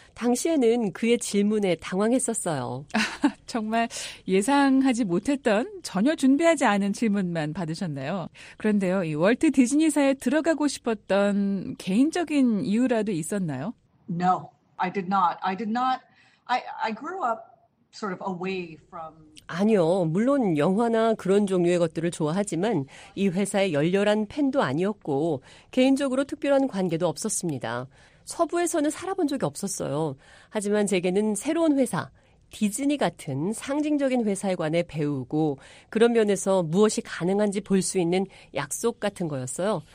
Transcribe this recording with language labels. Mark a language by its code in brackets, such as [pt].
[ko] 당시에는 그의 질문에 당황했었어요. 정말 예상하지 못했던, 전혀 준비하지 않은 질문만 받으셨네요. 그런데요, 이 월트 디즈니사에 들어가고 싶었던 개인적인 이유라도 있었나요? [en] No, I did not. I did not. I grew up sort of away from. [ko] 아니요, 물론 영화나 그런 종류의 것들을 좋아하지만 이 회사의 열렬한 팬도 아니었고 개인적으로 특별한 관계도 없었습니다. 서부에서는 살아본 적이 없었어요. 하지만 제게는 새로운 회사, 디즈니 같은 상징적인 회사에 관해 배우고 그런 면에서 무엇이 가능한지 볼 수 있는 약속 같은 거였어요.